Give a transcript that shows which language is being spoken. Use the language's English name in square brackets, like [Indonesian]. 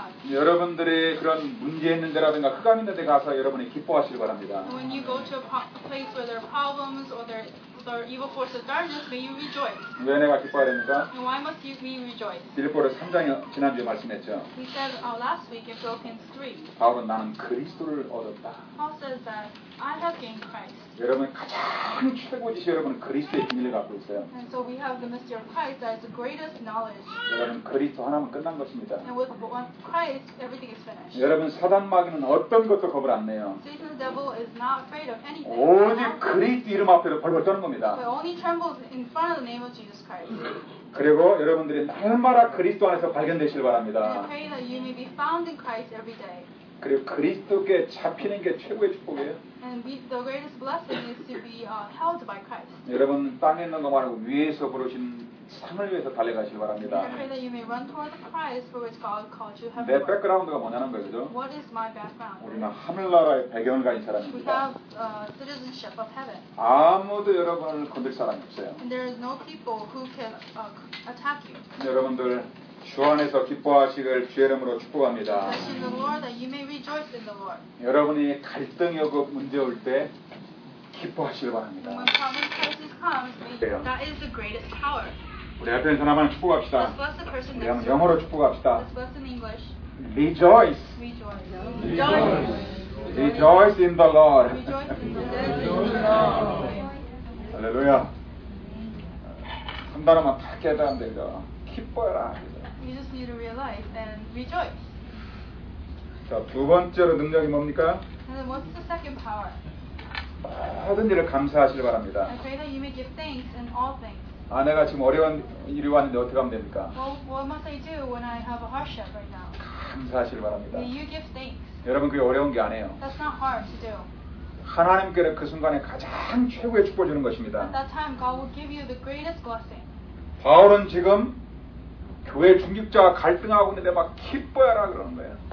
[Korean] 여러분들이 그런 문제 있는 데라든가 흑암 있는 데 가서 여러분이 기뻐하시길 바랍니다. [English] When you go to a place where there are problems or there are evil forces of darkness, may you rejoice. [Korean] 왜 내가 기뻐해야 됩니까? [English] And why must you me rejoice? [Korean] 빌립보서 3장에 지난주에 말씀했죠. [English] We said last week in Philippians 3. [Korean] 바울은 나는 그리스도를 얻었다. [English] Paul says that I have gained Christ. [Korean] 여러분 가장 최고지시 여러분은 그리스도의 비밀을 갖고 있어요. [English] And so we have the mystery of Christ that is the greatest knowledge. [Korean] 여러분 그리스도 하나면 끝난 것입니다. [English] And with Christ, everything is finished. [Korean] 여러분 사단 마귀는 어떤 것도 겁을 안 내요. [English] Satan the devil is not afraid of anything. [Korean] 오직 그리스도 이름 앞에서 벌벌 떠는 겁니다. [English] But only trembles in front of the name of Jesus Christ. [Korean] 그리고 여러분들이 날마다 그리스도 안에서 발견되시길 바랍니다. [English] And I pray that you may be found in Christ every day. [Korean] 그리고 그리스도께 잡히는 게 최고의 축복이에요. [English] And the greatest blessing is to be held by Christ. [Korean] 여러분 땅에 있는 거 말고 위에서 부르신 상을 위해서 달려가시기 바랍니다. [English] I pray that you may run toward the prize for which God called you heavenward. [Korean] 내 백그라운드가 뭐냐는 거죠? [English] What is my background? [Korean] 우리는 하늘나라의 배경을 가진 사람입니다. [English] We have citizenship of heaven. [Korean] 아무도 여러분을 건들 사람이 없어요. [English] And there are no people who can attack you. [Korean] 여러분들 주 안에서 기뻐하시길 주의 이름으로 축복합니다. [English] In the Lord, that you may rejoice in the Lord. [Korean] 여러분이 갈등이 오고 문제 올 때 기뻐하시길 바랍니다. [English] When common crisis comes, that is the greatest power. [Korean] 우리 앞에 있는 사람을 축복합시다. [English] Let's bless the person next to you. [Korean] 영어로 축복합시다. [English] Let's bless in English. Rejoice. Rejoice. Rejoice in the Lord. Rejoice in the Lord. Hallelujah. [Korean] 한 단어만 다 깨달으면 되죠. 기뻐라. [English] You just need to realize and rejoice. [Korean] 자, 두 번째로 능력이 뭡니까? [English] And then what's the second power? [Korean] 모든 일을 감사하시길 바랍니다. [English] I pray that you may give thanks in all things. [Korean] 아, 내가 지금 어려운 일이 왔는데 어떻게 하면 됩니까? [English] Well, what must I do when I have a hardship right now? [Korean] 감사하시길 바랍니다. [English] May you give thanks. [Korean] 여러분, 그게 어려운 게 아니에요. [English] That's not hard to do. [Korean] 하나님께는 그 순간에 가장 최고의 축복을 주는 것입니다. [English] At that time, God will give you the greatest blessing. [Korean] 바울은 지금 교회 중직자와 갈등하고 있는데 막 기뻐하라 그러는 거예요.